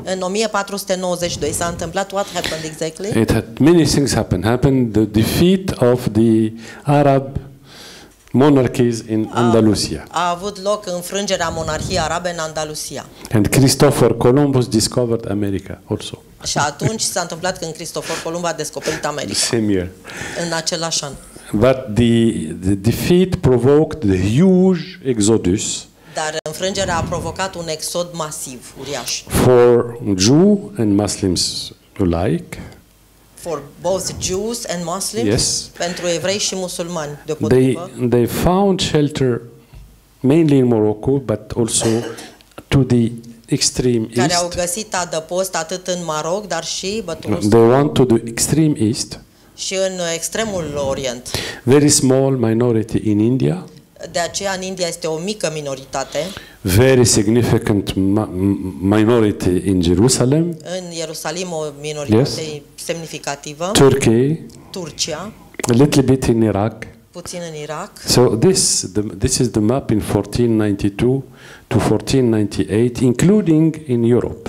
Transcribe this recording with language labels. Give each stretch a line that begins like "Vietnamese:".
Romanian: În 1492 s-a întâmplat,
English: what happened exactly? It had many things happened. Happened the defeat of the Arab monarchies in Andalusia.
Romanian: A avut loc înfrângerea monarhiei arabe în Andalusia.
English: And Christopher Columbus discovered America also.
Romanian: Și atunci s-a întâmplat când Cristofor Columb a descoperit America.
English: Same year.
Romanian: În același an.
English: But the defeat provoked the huge exodus.
Romanian: Dar înfrângerea a provocat un exod masiv, uriaș.
English: For Jews and Muslims alike. For both Jews and Muslims. Yes.
Romanian: Pentru evrei și musulmani, deopotrivă.
English: They found shelter mainly in Morocco, but also to the extreme east.
Romanian: Care au găsit adăpost atât în Maroc, dar și bătut.
English: They went to the extreme east.
Romanian: Și în extremul orient.
English: Very small minority in India.
Romanian: De aceea în India este o mică minoritate.
English: Very significant minority in Jerusalem.
Romanian: În Ierusalim o minoritate, yes, semnificativă.
English: Turkey.
Romanian: Turcia.
English: A little bit in Iraq.
Romanian: Puțin în Irak.
English: So this is the map in 1492 to 1498, including in Europe.